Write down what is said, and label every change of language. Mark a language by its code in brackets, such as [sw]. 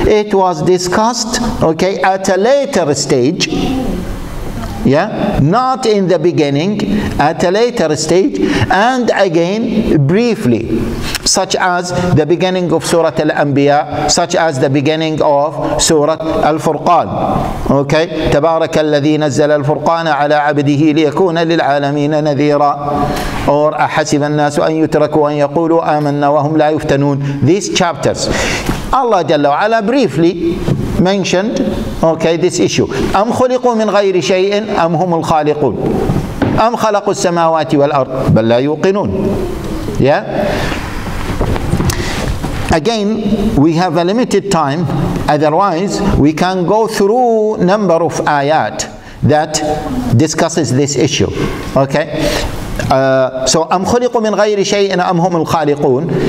[en] It was discussed, okay, at a later stage. Yeah, not in the beginning, at a later stage, and again briefly, such as the beginning of Surah Al-Anbiya, such as the beginning of Surah Al-Furqan. [ar] Okay, تبارك الذي نزل الفرقان على عبده ليكون للعالمين نذيرا. Or أحسب الناس أن يتركوا أن يقولوا آمنا وهم لا يفتنون. [en] These chapters, Allah جل وعلا briefly mentioned, okay, this issue. [ar] أم خلقوا من غير شيء أم هم الخالقون أم خلقوا السماوات والأرض بل لا يوقنون. [en] Yeah. Again, we have a limited time. Otherwise, we can go through number of ayat that discusses this issue. Okay. [ar] So أم خلقوا من غير شيء أم هم الخالقون.